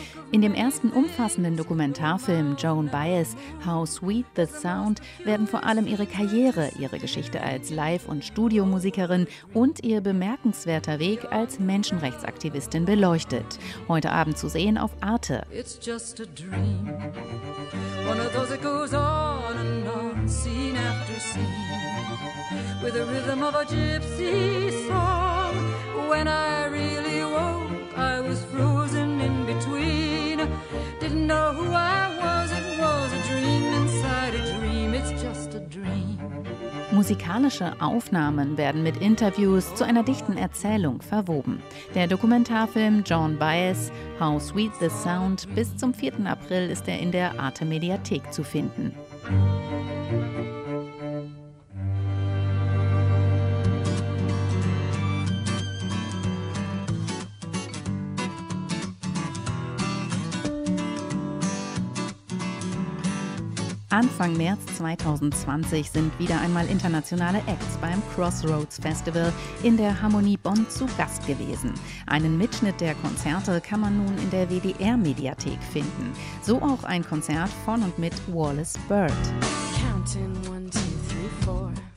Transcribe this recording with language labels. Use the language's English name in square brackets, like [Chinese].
[German] In dem ersten umfassenden Dokumentarfilm Joan Baez, How Sweet the Sound, werden vor allem ihre Karriere, ihre Geschichte als Live- und Studiomusikerin und ihr bemerkenswerter Weg als Menschenrechtsaktivistin beleuchtet. Heute Abend zu sehen auf Arte. [English] It's just a dream. One of those that goes on and on, scene after scene, with the rhythm of a gypsy song. When I really woke, I was frozen in between. Didn't know who I was, it was a dream inside a dream, it's just a dream. [German] Musikalische Aufnahmen werden mit Interviews zu einer dichten Erzählung verwoben. Der Dokumentarfilm Joan Baez, How Sweet the Sound, bis zum 4. April ist er in der Arte Mediathek zu finden. Anfang März 2020 sind wieder einmal internationale Acts beim Crossroads Festival in der Harmonie Bonn zu Gast gewesen. Einen Mitschnitt der Konzerte kann man nun in der WDR-Mediathek finden. So auch ein Konzert von und mit Wallace Bird. [English] Counting one, two, three, four.